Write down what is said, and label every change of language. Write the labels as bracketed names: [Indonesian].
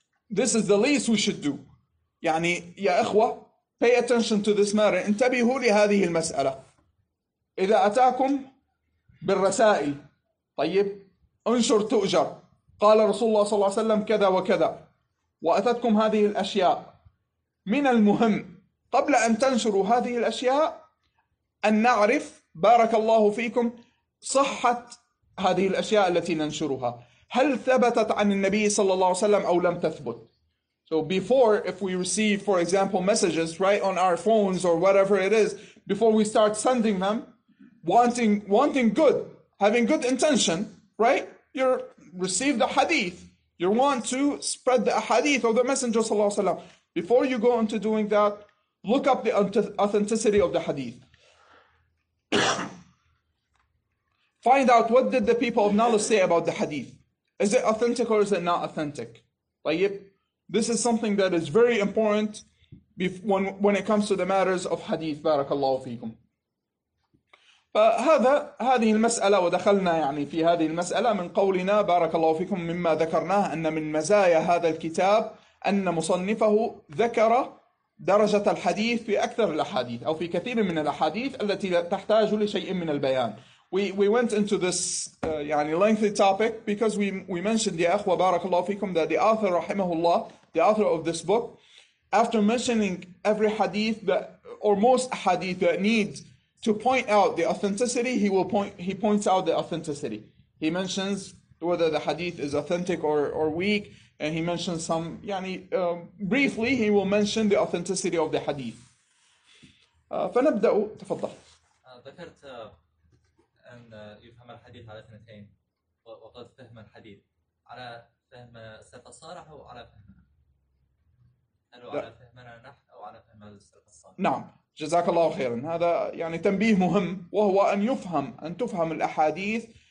[English] This is the least we should do. [Arabic] يعني يا إخوة, [English] pay attention to this matter. [Arabic] انتبهوا لهذه المسألة. إذا أتاكم بالرسائل طيب انشر تؤجر قال رسول الله صلى الله عليه وسلم كذا وكذا وأتتكم هذه الأشياء, من المهم قبل أن تنشروا هذه الأشياء أن نعرف بارك الله فيكم صحة هذه الأشياء التي ننشرها, هل ثبتت عن النبي صلى الله عليه وسلم أو لم تثبت. [English] So before, if we receive for example messages right on our phones or whatever it is, before we start sending them, wanting good, having good intention, right? You receive the hadith. You want to spread the hadith of the Messenger sallallahu alaihi wasallam. Before you go into doing that, look up the authenticity of the hadith. Find out what did the people of knowledge say about the hadith. Is it authentic or is it not authentic? طيب, this is something that is very important when it comes to the matters of hadith. [Arabic] Barakallahu feekum. فهذه المسألة ودخلنا يعني في هذه المسألة من قولنا بارك الله فيكم مما ذكرناه أن من مزايا هذا الكتاب أن مصنفه ذكر درجة الحديث في أكثر الأحاديث أو في كثير من الأحاديث التي تحتاج لشيء من البيان. [English] We went into this يعني lengthy topic because we mentioned [Arabic] يا أخوة بارك الله فيكم [English] that the author رحمه الله, the author of this book, after mentioning every hadith that, or most hadith that needs to point out the authenticity, he points out the authenticity. He mentions whether the hadith is authentic or weak, and he mentions some, يعني, briefly, he will mention the authenticity of the hadith. [Arabic] فنبدأ, تفضل. ذكرت أن يفهم الحديث على اثنتين, وقد فهم الحديث على فهم السلف الصالح أو على فهمنا نحن أو على فهم السلف الصالح. نعم. جزاك الله خيرا, هذا يعني تنبيه مهم وهو أن تفهم الأحاديث